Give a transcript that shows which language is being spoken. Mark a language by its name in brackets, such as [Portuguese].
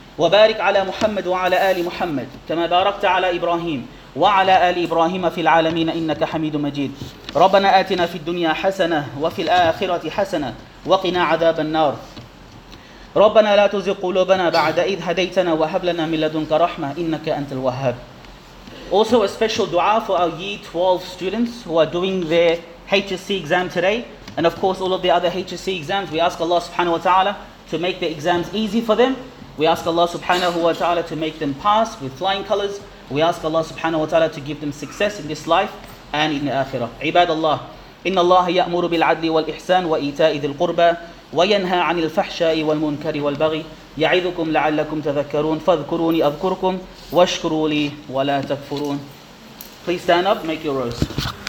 [Arabic] وبارك على محمد وعلى آل محمد كما باركت على إبراهيم وعلى آل إبراهيم في العالمين إنك حميد مجيد ربنا آتنا في الدنيا حسنة وفي الآخرة حسنة وقنا عذاب النار ربنا لا تزغ قلوبنا بعد إذ هديتنا وهب لنا من لدنك رحمة إنك أنت الوهاب. [English] Also a special dua for our year 12 students who are doing their HSC exam today, and of course all of the other HSC exams. We ask Allah subhanahu wa ta'ala to make the exams easy for them. We ask Allah subhanahu wa ta'ala to make them pass with flying colors. We ask Allah subhanahu wa ta'ala to give them success in this life and in the akhirah. Ibadallah, [Arabic] إن الله يأمر بالعدل والإحسان وإيتاء ذي القربى وينهى عن الفحشاء والمنكر والبغي يعظكم لعلكم تذكرون فاذكروني أذكركم واشكروا لي ولا تكفرون. [English] Please stand up, make your rose.